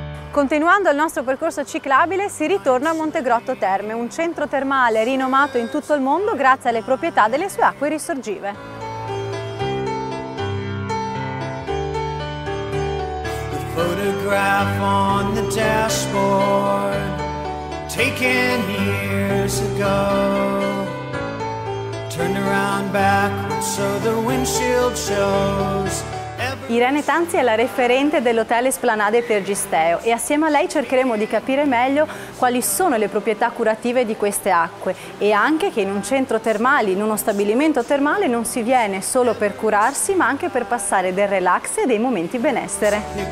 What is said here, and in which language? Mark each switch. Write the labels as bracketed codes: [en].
[it] Continuando il nostro percorso ciclabile, si ritorna a Montegrotto Terme, un centro termale rinomato in tutto il mondo grazie alle proprietà delle sue acque risorgive. [en] The photograph on the dashboard, taken years ago. Turn around back so the windshield shows. [it] Irene Tanzi è la referente dell'Hotel Esplanade Tergisteo e assieme a lei cercheremo di capire meglio quali sono le proprietà curative di queste acque e anche che in un centro termale, in uno stabilimento termale, non si viene solo per curarsi ma anche per passare del relax e dei momenti benessere.